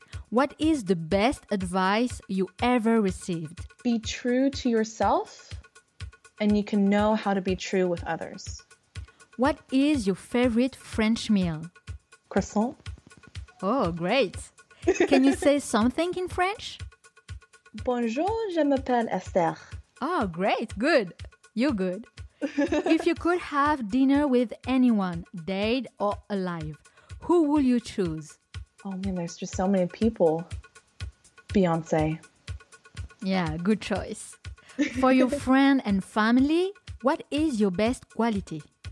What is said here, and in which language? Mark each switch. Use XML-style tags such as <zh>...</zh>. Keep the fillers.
<en>What is the best advice you ever received? Be true to yourself and you can know how to be true with others. What is your favorite French meal? Croissant? Oh, great. Can you say something in French?</en> <fr>Bonjour, je m'appelle Esther.</fr> <en>Oh, great. Good. You're good. if you could have dinner with anyone, dead or alive, who would you choose? Oh man, there's just so many people. Beyonce. Yeah, good choice. For your friend and family, what is your best quality?</en>